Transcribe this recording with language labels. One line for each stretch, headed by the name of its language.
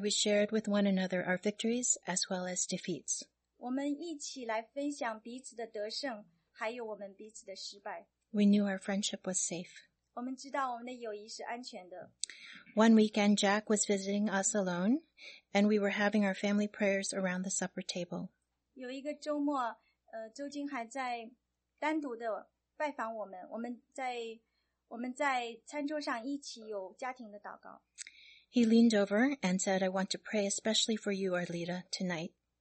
English: we shared with one another our victories as well as defeats.
Chinese: 我们一起来分享彼此的得胜，还有我们彼此的失败。
English: We knew our friendship was safe.
Chinese: 我们知道我们的友谊是安全的。
English: One weekend, Jack was visiting us alone, and we were having our family prayers around the supper table.
Chinese: 有一个周末，周金还在单独的拜访我们，我们在餐桌上一起有家庭的祷告。
English: He leaned over and said, I want to pray especially for you, Arlita, tonight.